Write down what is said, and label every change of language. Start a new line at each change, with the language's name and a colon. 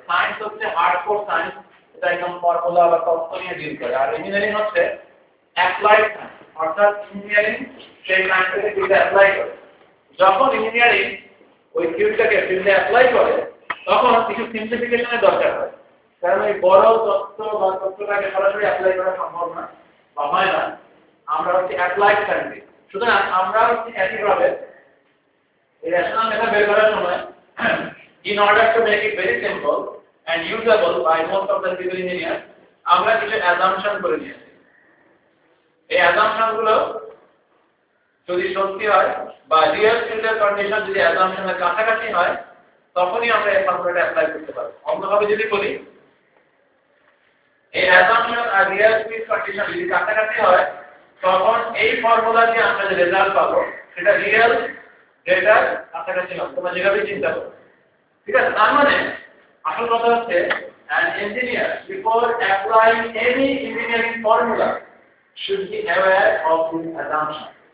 Bangla: Science হচ্ছে hard core science, এটা একদম ফর্মুলা বা তত্ত্ব নিয়ে ডিল করে, আর ইঞ্জিনিয়ারিং হচ্ছে অ্যাপ্লাইড সায়েন্স, অর্থাৎ ইঞ্জিনিয়ারিং সেই সায়েন্সটাকে ফিল্ডে অ্যাপ্লাই করে। যখন ইঞ্জিনিয়ারিং ওই ফিল্ডটাকে ফিল্ডে অ্যাপ্লাই করে তখন কিছু সিম্পলিফিকেশনের দরকার হয়, কারণ ওই বড় তত্ত্ব বা তত্ত্বটাকে সরাসরি অ্যাপ্লাই করা সম্ভব না বা হয় না, আমরা হচ্ছে অ্যাপ্লাইড সায়েন্স। সুতরাং আমরা হচ্ছে একইভাবে এই রেশনাল মেথড বের করার সময়
English: in order to make it very simple and usable by most of the civil engineers,
Bangla: আমরা কিছু assumption করে নিয়েছি। এই assumption গুলো যদি সত্যি হয় বা real field condition যদি assumption এর কাছাকাছি হয় তখনই আমরা এই formula apply করতে পারবো। অন্যভাবে যদি বলি, এই assumption আর real field condition যদি কাছাকাছি হয় তখন এই formula দিয়ে আমরা যে result পাবো সেটা real ডেটার কাছাকাছি হবে, তোমরা যেভাবে চিন্তা করো। ঠিক আছে, তার মানে আসল কথা হচ্ছে
English: an engineer before applying any engineering formula should be aware of this assumption.